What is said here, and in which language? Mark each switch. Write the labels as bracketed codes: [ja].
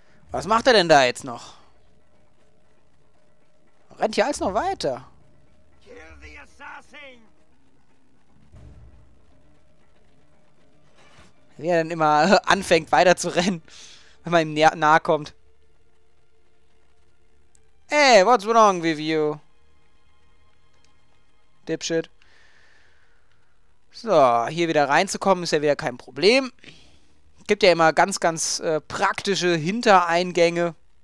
[de] Was macht er denn da jetzt noch? Rennt hier alles noch weiter. [en] Kill the assassin. [de] Wie er dann immer anfängt weiter zu rennen, wenn man ihm nahe kommt. [en] Hey, what's wrong with you? Dipshit. [de] So, hier wieder reinzukommen ist ja wieder kein Problem. Es gibt ja immer ganz, ganz praktische Hintereingänge.